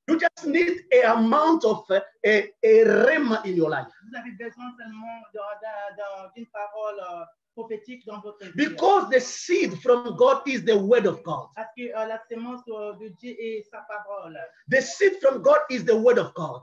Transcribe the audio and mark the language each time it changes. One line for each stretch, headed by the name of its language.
English: You just need an amount of a rhema in your life.
French: Vous avez besoin seulement d'une parole prophétique dans votre vie.
English: Because the seed from God is the word of God.
French: Parce que la semence de Dieu est sa parole.
English: The seed from God is the word of God.